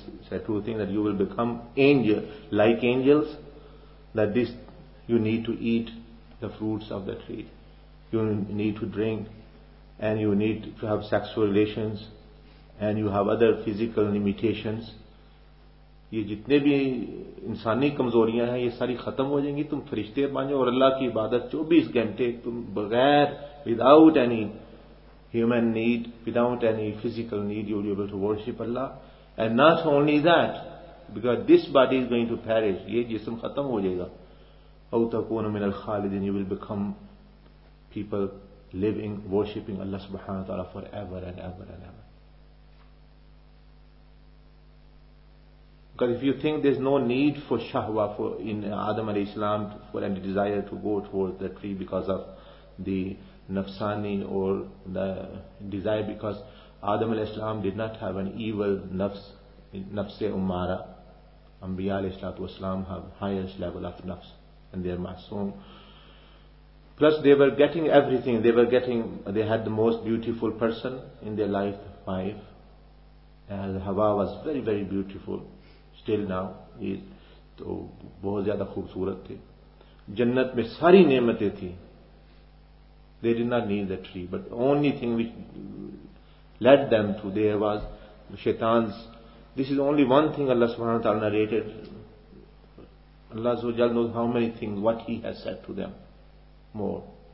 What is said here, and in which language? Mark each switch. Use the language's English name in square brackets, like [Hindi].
[English] He said two things, that you will become angel like angels, that this you need to eat the fruits of the tree. You need to drink, and you need to have sexual relations, and you have other physical limitations. [Urdu] یہ جتنے بھی انسانی کمزوریاں ہیں یہ ساری ختم ہو جائیں گی, تم فرشتے بن جاؤ اور اللہ کی عبادت [English] 24 hours [Urdu] تم بغیر [English] without any human need, without any physical need, you will be able to worship Allah. And not only that, because this body is going to perish. [Urdu] Ye jism khatam ho jayega. [Arabic] Aw takuna min al-khalidin, [English] you will become people living, worshipping Allah subhanahu wa ta'ala forever and ever and ever. Because if you think there's no need for shahwa for in Adam alayhi salam, for any desire to go towards the tree because of the nafsani or the desire, because Adam alayhi salam did not have an evil nafs, nafse ummara. Anbiya alayhi salatu wasalam have highest level of nafs and they are masoom. Plus they were getting everything, they had the most beautiful person in their life, wife. And Hawa was very, very beautiful. Still now, [Urdu] تو بہت زیادہ خوبصورت تھے. جنت میں ساری نعمتیں تھیں. [English] They did not need the tree, but only thing which led them to there was shaitans. This is only one thing Allah subhanahu wa ta'ala narrated. Allah Zawajal knows how many things, what He has said to them more.